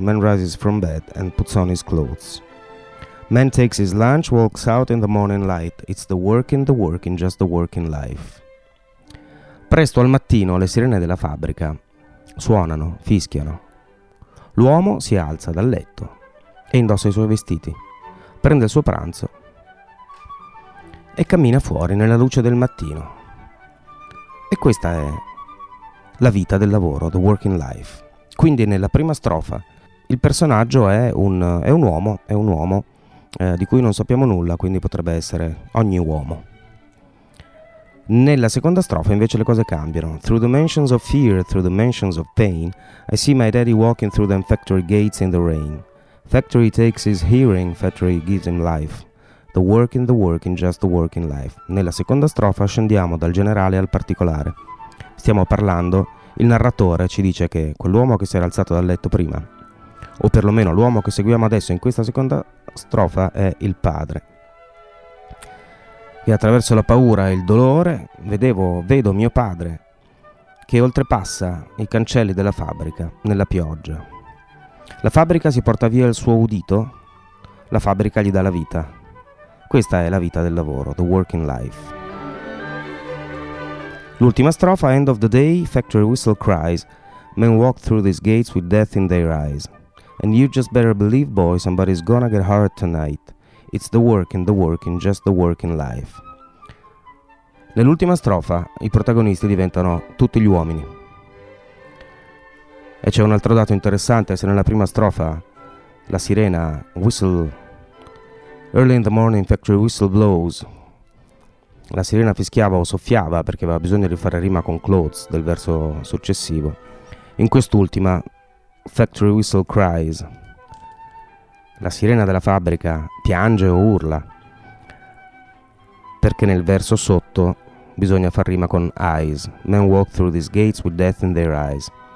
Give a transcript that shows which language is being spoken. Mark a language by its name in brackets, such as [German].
[English] Man rises from bed and puts on his clothes. Man takes his lunch, walks out in the morning light. It's the working, just the working life. [Italian] Presto al mattino, le sirene della fabbrica suonano, fischiano. L'uomo si alza dal letto e indossa i suoi vestiti, prende il suo pranzo e cammina fuori nella luce del mattino. E questa è la vita del lavoro, [English] the working life. [Italian] Quindi nella prima strofa il personaggio è un uomo di cui non sappiamo nulla, quindi potrebbe essere ogni uomo. Nella seconda strofa invece le cose cambiano. [English] Through the mansions of fear, through the mansions of pain, I see my daddy walking through them factory gates in the rain. Factory takes his hearing, factory gives him life. The working, just the working life. [Italian] Nella seconda strofa scendiamo dal generale al particolare. Stiamo parlando, il narratore ci dice che quell'uomo che si era alzato dal letto prima o perlomeno l'uomo che seguiamo adesso in questa seconda strofa, è il padre. E attraverso la paura e il dolore vedo mio padre che oltrepassa i cancelli della fabbrica nella pioggia. La fabbrica si porta via il suo udito, la fabbrica gli dà la vita. Questa è la vita del lavoro, [English] the working life. [Italian] L'ultima strofa, [English] end of the day, factory whistle cries, men walk through these gates with death in their eyes. And you just better believe, boy, somebody's gonna get hurt tonight. It's the working, just the working life. [Italian] Nell'ultima strofa, i protagonisti diventano tutti gli uomini. E c'è un altro dato interessante, se nella prima strofa la sirena whistle, [English] early in the morning factory whistle blows, [Italian] la sirena fischiava o soffiava perché aveva bisogno di fare rima con clothes del verso successivo, in quest'ultima [English] factory whistle cries, [Italian] la sirena della fabbrica piange o urla, perché nel verso sotto bisogna far rima con eyes, [English] men walk through these gates with death in their eyes.